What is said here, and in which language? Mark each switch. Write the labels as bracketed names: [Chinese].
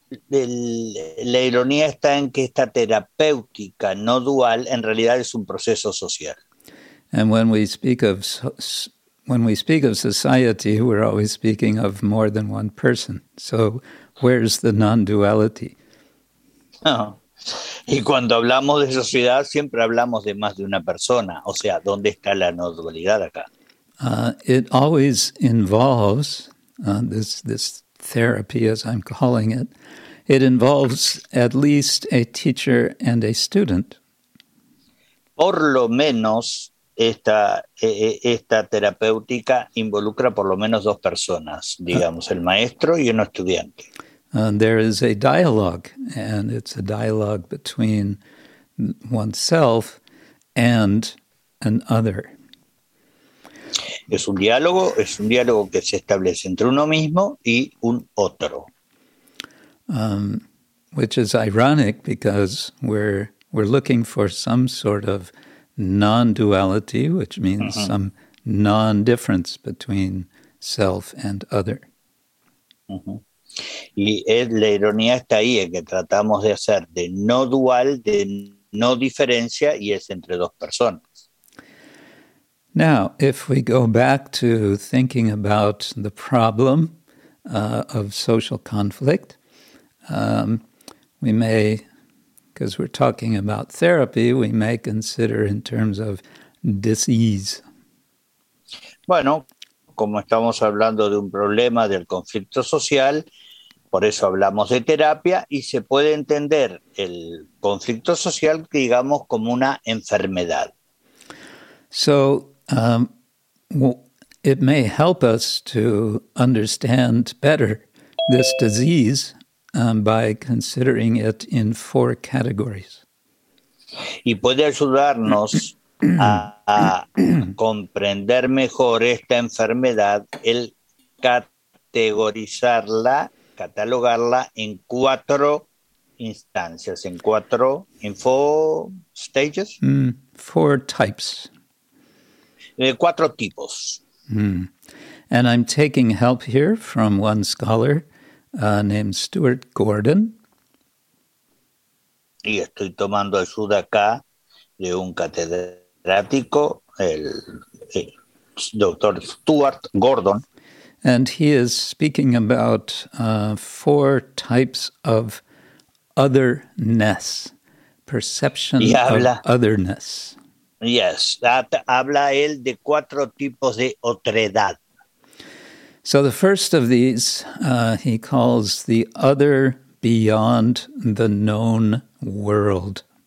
[Spanish] La ironía está en que esta terapéutica no dual en realidad es un proceso social. [English] And when we speak of society, we're always speaking of more than one person. So where's the non-duality? [Spanish] Y cuando hablamos de sociedad, siempre hablamos de más de una persona. O sea, ¿dónde está la no dualidad acá? [English] It always involves, this therapy as I'm calling it, it involves at least a teacher and a student. [Spanish] Por lo menos... Esta terapéutica involucra por lo menos dos personas, digamos, el maestro y un estudiante. [English] There is a dialogue, and it's a dialogue between oneself and an other. [Spanish] Es un diálogo que se establece entre uno mismo y un otro. [English] Which is ironic because we're looking for some sort of non-duality, which means some non-difference between self and other. Uh-huh. [Spanish] Y la ironía está ahí, en que tratamos de hacer de no dual, de no diferencia, y es entre dos personas. [English] Now, if we go back to thinking about the problem of social conflict, because we're talking about therapy, we may consider in terms of disease. [Spanish] Bueno, como estamos hablando de un problema del conflicto social, por eso hablamos de terapia, y se puede entender el conflicto social, digamos, como una enfermedad. [English] So, it may help us to understand better this disease by considering it in four categories. [Spanish] Y puede ayudarnos a comprender mejor esta enfermedad el catalogarla en cuatro instancias, en [English] four stages? Four types. [Spanish] Cuatro tipos. [English] And I'm taking help here from one scholar named Stuart Gordon. [Spanish] Y estoy tomando ayuda acá de un catedrático, el doctor Stuart Gordon. [English] And he is speaking about four types of otherness, [Spanish] Y [English] perception of [Spanish] habla, [English] otherness. [Spanish] yes, habla él de cuatro tipos de otredad. [English] So the first of these, he calls the other beyond the known world.